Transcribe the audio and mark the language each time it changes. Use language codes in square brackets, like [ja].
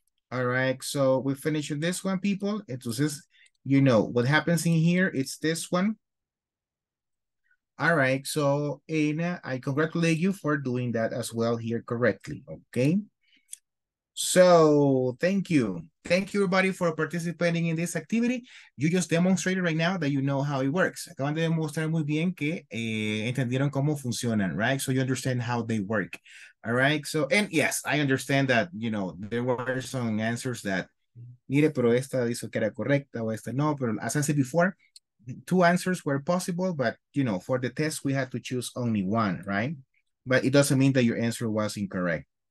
[en] All right, so we finished this one, people. It was just, you know, what happens in here, it's this one. All right, so Ana, I congratulate you for doing that as well here correctly, okay? So thank you. Thank you everybody for participating in this activity. You just demonstrated right now that you know how it works. [es] Acaban de demostrar muy bien que entendieron cómo funcionan, [en] right? So you understand how they work. All right. So, and yes, I understand that, you know, there were some answers that, [es] mire, pero esta dijo que era correcta o esta no, [en] pero as I said before, two answers were possible, but you know, for the test, we had to choose only one, right? But it doesn't mean that your answer was incorrect.